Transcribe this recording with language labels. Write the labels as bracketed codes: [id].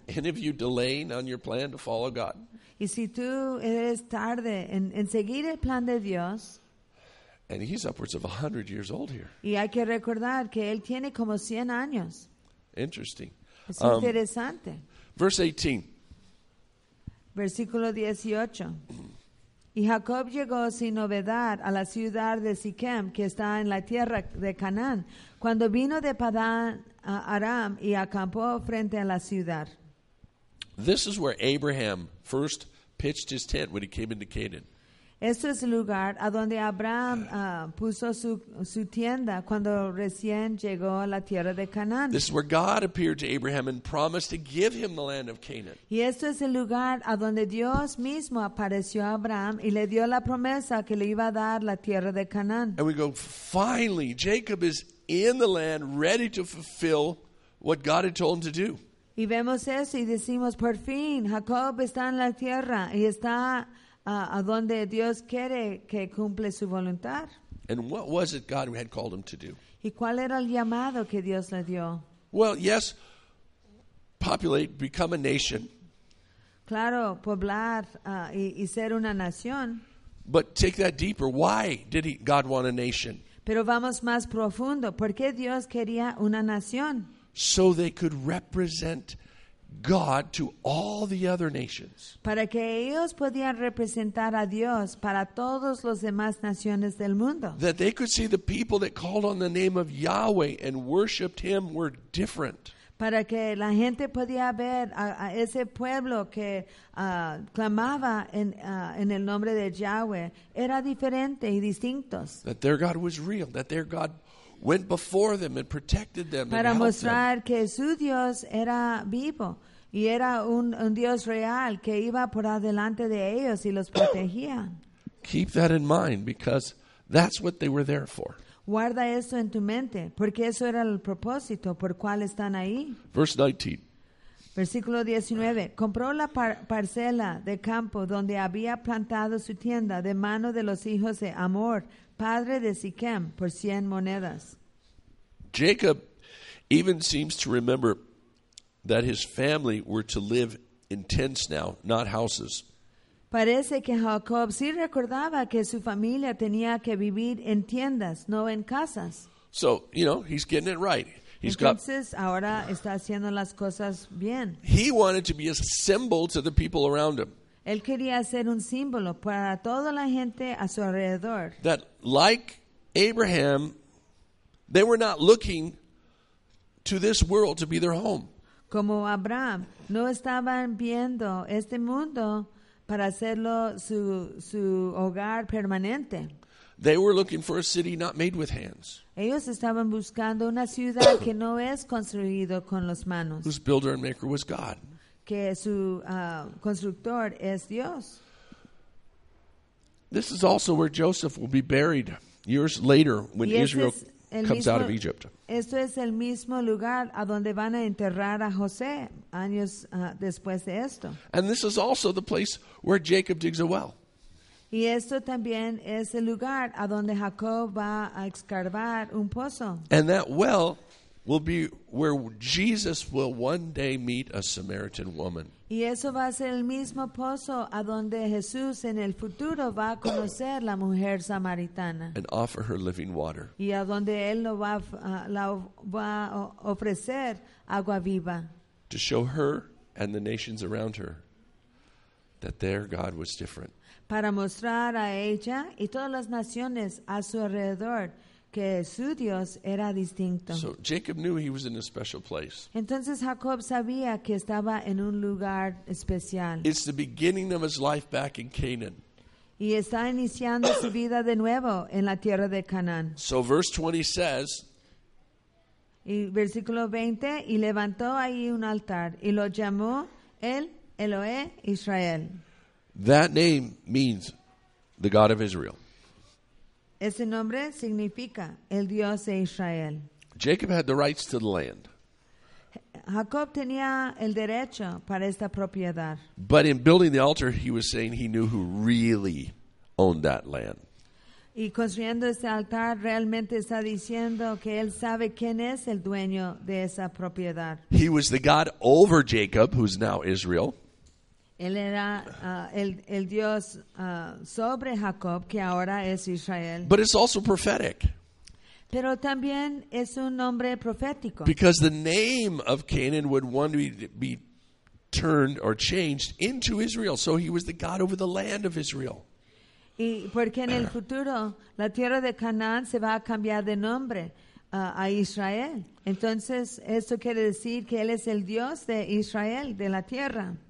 [en] And if you delay on your plan to follow God, [es] y si tú eres tarde en seguir el plan de Dios, [en] and he's upwards of 100 years old here. [es] Y hay que recordar que él tiene como 100 años. [en] Interesting. [es] Es interesante. [en] Verse 18. [es] Versículo 18. Y Jacob llegó sin novedad a la ciudad de Siquem, que está en la tierra de Canaán, cuando vino de Padán a Aram y acampó frente a la ciudad. [en] This is where Abraham first pitched his tent when he came into Canaan. [es] Este es el lugar a donde Abraham puso su tienda cuando recién llegó a la tierra de Canaán. [en] This is where God appeared to Abraham and promised to give him the land of Canaan. [es] Y este es el lugar a donde Dios mismo apareció a Abraham y le dio la promesa que le iba a dar la tierra de Canaán. [en] And we go, finally, Jacob is in the land, ready to fulfill what God had told him to do. [es] Y vemos eso y decimos, por fin, Jacob está en la tierra y está a donde Dios quiere que cumple su voluntad. [en] And what was it God had called him to do? [es] ¿Y cuál era el llamado que Dios le dio? [en] Well, yes, populate, become a nation. [es] Claro, poblar y ser una nación. [en] But take that deeper. Why did God want a nation? [es] Pero vamos más profundo. ¿Por qué Dios quería una nación? [en] So they could represent God to all the other nations. [es] Para que ellos podían representar a Dios para todos los demás naciones del mundo. [en] That they could see the people that called on the name of Yahweh and worshipped Him were different. [es] Para que la gente podía ver a ese pueblo que clamaba en el nombre de Yahweh era diferente y distintos. [en] That their God was real. That their God went before them and protected them. [es] Para [en] and [es] mostrar Que su Dios era vivo y era un Dios real que iba por adelante de ellos y los protegía. [en] Keep that in mind because that's what they were there for. [es] Guarda eso en tu mente porque eso era el propósito por cual están ahí. [en] Verse 19. [es] Versículo 19. Compró la parcela de campo donde había plantado su tienda de mano de los hijos de Amor, padre de Siquem, por 100 monedas. [en] Jacob even seems to remember that his family were to live in tents now, not houses. [es] Parece que Jacob sí recordaba que su familia tenía que vivir en tiendas, no en casas. [en] So, you know, he's getting it right. He's [es] entonces, got, ahora está haciendo las cosas bien. [en] He wanted to be a symbol to the people around him. [es] Él quería ser un símbolo para toda la gente a su alrededor. [en] That like Abraham, they were not looking to this world to be their home. [es] Como Abraham, no estaban viendo este mundo para hacerlo su hogar permanente. [en] They were looking for a city not made with hands. [es] Ellos estaban buscando una ciudad que no es construido con las manos. [en] Whose builder and maker was God. [es] Que su constructor es Dios. [en] This is also where Joseph will be buried years later when Israel... comes out of Egypt. [es] Esto es el mismo lugar a donde van a enterrar a José años después de esto. [en] And this is also the place where Jacob digs a well. [es] Y esto también es el lugar a donde Jacob va a excavar un pozo. [en] And that well will be where Jesus will one day meet a Samaritan woman. [es] Y eso va a ser el mismo pozo a donde Jesús en el futuro va a conocer la mujer samaritana. [en] And offer her living water. [es] Y a donde él lo va la va a ofrecer agua viva. [en] To show her and the nations around her that their God was different. [es] Para mostrar a ella y todas las naciones a su alrededor que su Dios era distinto. [en] So Jacob knew he was in a special place. [es] Entonces Jacob sabía que estaba en un lugar especial. [en] It's the beginning of his life back in Canaan. [es] Y está iniciando su vida de nuevo en la tierra de Canaán. [en] So verse 20 says, [es] y versículo 20, y levantó ahí un altar y lo llamó el Eloé Israel. [en] That name means the God of Israel. [es] Ese nombre significa el Dios de Israel. [en] Jacob had the rights to the land. [es] Jacob tenía el derecho para esta propiedad. [en] But in building the altar, he was saying he knew who really owned that land. [es] Y construyendo este altar, realmente está diciendo que él sabe quién es el dueño de esa propiedad. [en] He was the God over Jacob, who's now Israel. [es] Él era el Dios sobre Jacob, que ahora es Israel. [en] But it's also prophetic. [es] Pero también es un nombre profético. [en] Because the name of Canaan would want to be turned or changed into Israel. So he was the God over the land of Israel. [es] Y porque en el futuro la tierra de Canaán se va a cambiar de nombre a Israel. Entonces esto quiere decir que él es el Dios de Israel, de la tierra.